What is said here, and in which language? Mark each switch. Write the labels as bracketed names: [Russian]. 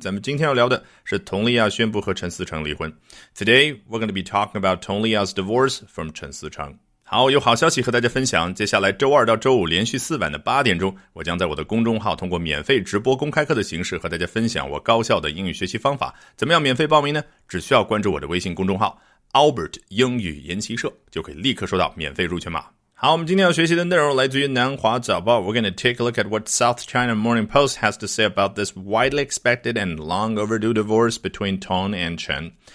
[Chinese] 咱们今天要聊的是佟丽娅宣布和陈思诚离婚。 [English] Today, we're going to be talking about 佟丽娅's divorce from 陈思诚。 [Chinese] 好，有好消息和大家分享。接下来周二到周五连续四晚的八点钟，我将在我的公众号通过免费直播公开课的形式和大家分享我高效的英语学习方法。怎么样免费报名呢？只需要关注我的微信公众号 Albert 英语研习社，就可以立刻收到免费入群码。好，我们今天要学习的内容来自于南华早报。 [English] We're going to take a look at what South China Morning Post has to say about this widely expected and long overdue divorce between Tong and Chen.